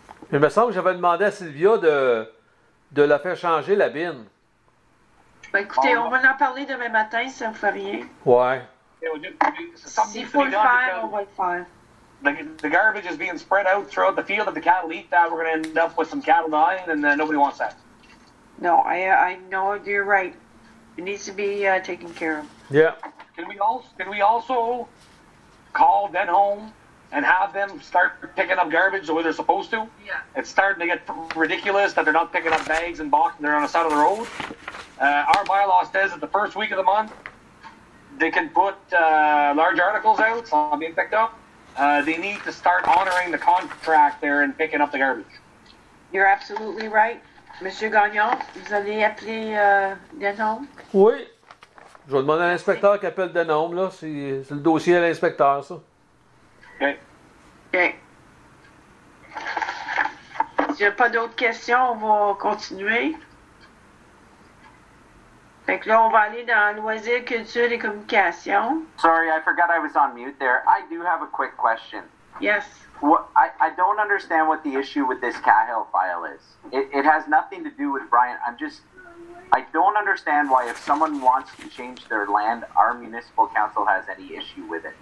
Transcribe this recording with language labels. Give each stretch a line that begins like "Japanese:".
French: Mais il me semble que j'avais demandé à Sylvia de la faire changer la bine. Ben écoutez, on va en parler demain matin, ça ne fait rien. Ouais. S'il faut le faire, on va le faire.
English: The garbage is being spread out throughout the field. If the cattle eat that, we're going to end up with some cattle dying, and nobody wants that. No, I know you're right. It needs to be taken care of. Yeah. Can we also call them home and have them start picking up garbage the way they're supposed to? Yeah. It's starting to get ridiculous that they're not picking up bags and boxes and they're on the side of the road. Our bylaw says that the first week of the month, they can put large articles out, so I'll be picked up. They need to start honoring the contract there and picking up the garbage. You're absolutely right.
French: Monsieur Gagnon, vous allez appeler Denholm? Oui. Je vais demander à l'inspecteur qui appelle Denholm, là. C'est le dossier à l'inspecteur, ça. OK. OK. S'il n'y a pas d'autres questions, on va continuer. Fait que là, on va aller dans loisirs, culture et communication.
English: Sorry, I forgot I was on mute there. I do have a quick question. Yes. I don't understand what the issue with this Cahill file is. It has nothing to do with Brian. I don't understand why if someone wants to change their land, our municipal council has any issue with it.